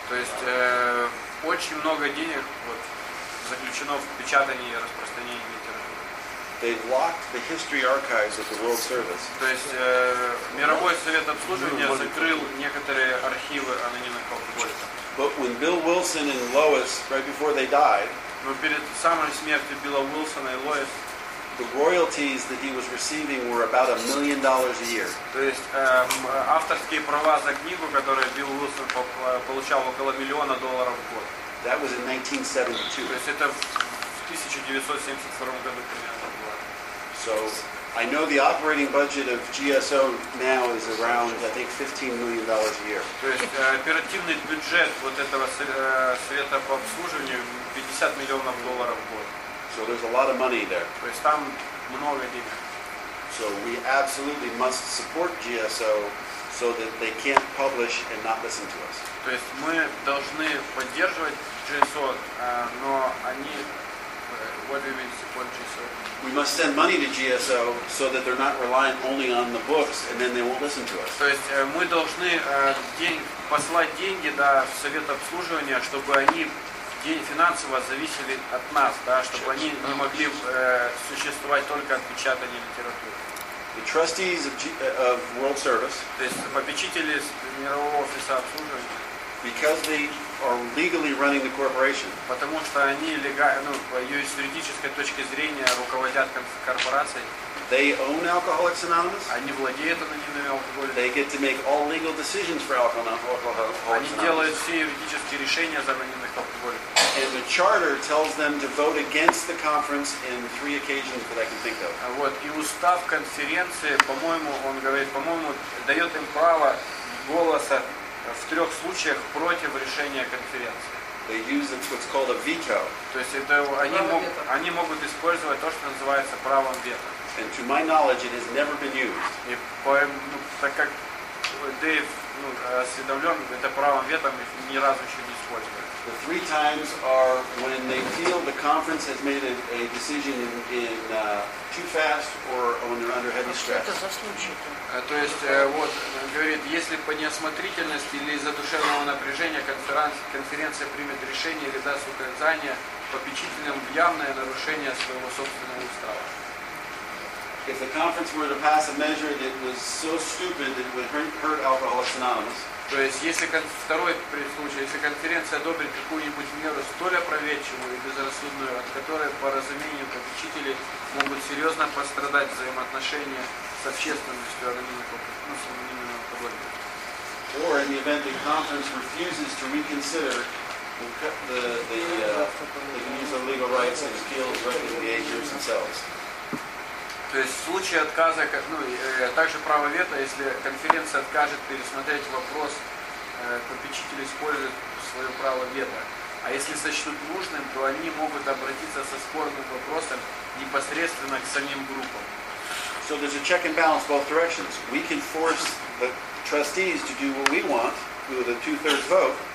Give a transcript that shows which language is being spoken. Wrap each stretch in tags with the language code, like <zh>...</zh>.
<ru>То есть очень много денег вот заключено в печатании и распространении литературы.</ru> <en>They locked the history archives of the World Service.</en> <ru>То есть мировой совет обслуживания закрыл некоторые архивы анонимных алкоголиков.</ru> <en>But when Bill Wilson and Lois, right before they died,</en> <ru>но перед самой смертью Билла Уилсона и Лоис,</ru> <en>the royalties that he was receiving were about $1 million a year.</en> <ru>То есть авторские права за книгу, которые Билл Уилсон получал, около миллиона долларов в год.</ru> <en>That was in 1972.</en> <ru>То есть это в 1972 году примерно было.</ru> <en>So I know the operating budget of GSO now is around, I think, $15 million a year.</en> <ru>То есть оперативный бюджет вот этого совета по обслуживанию 50 миллионов долларов в год.</ru> <en>So there's a lot of money there.</en> <ru>То есть там много денег.</ru> <en>So we absolutely must support GSO so that they can't publish and not listen to us.</en> <ru>То есть мы должны поддерживать GSO, но они</ru> <en>what do you mean support GSO? We must send money to GSO so that they're not reliant only on the books and then they won't listen to us.</en> <ru>То есть мы должны послать деньги да в совет обслуживания, чтобы они финансово зависели от нас, да, чтобы они не могли существовать только от печатания литературы.</ru> <en>The trustees of World Service,</en> <ru>то есть попечители мирового офиса обслуживания,</ru> <en>because they are legally running the corporation,</en> <ru>потому что они легально, ну, по ее юридической точке зрения руководят корпорацией.</ru> <en>They own Alcoholics Anonymous.</en> <ru>Они владеют анонимными алкоголиками.</ru> <en>They get to make all legal decisions for Alcoholics Anonymous.</en> <ru>Они делают все юридические решения за анонимных алкоголиков.</ru> <en>And the charter tells them to vote against the conference in three occasions that I can think of.</en> <ru>Вот, и устав конференции, по-моему, он говорит, по-моему, дает им право голоса в трех случаях против решения конференции.</ru> <en>They use what's called a veto.</en> <ru>То есть это они могут использовать то, что называется правом вето.</ru> <en>And to my knowledge, it has never been used.</en> <ru>И по, ну, так как Дэйв, ну, осведомлен, это правом вето ни разу еще не использовали.</ru> <en>The three times are when they feel the conference has made a decision too fast or when they're under heavy stress.</en> <ru>Это за случай. То есть вот говорит, если по неосмотрительности или из-за душевного напряжения конференция примет решение или даст указание попечителям в явное нарушение своего собственного устава.</ru> <en>If the conference were to pass a measure that was so stupid that it would hurt Alcoholics Anonymous.</en> <ru>То есть, если второй случай, если конференция одобрит какую-нибудь меру столь опрометчивую и безрассудную, от которой, по разумению, попечители могут серьезно пострадать взаимоотношения с общественностью анонимных алкоголиков.</ru> <en>Or in the event the conference refuses to reconsider the legal rights and appeals directly to the agents themselves.</en> <ru>То есть в случае отказа, ну, также право вето, если конференция откажет пересмотреть вопрос, попечитель использует свое право вето. А если сочтут нужным, то они могут обратиться со спорным вопросом непосредственно к самим группам.</ru> <en>So there's a check and balance both directions. We can force the trustees to do what we want with a two-thirds vote.</en>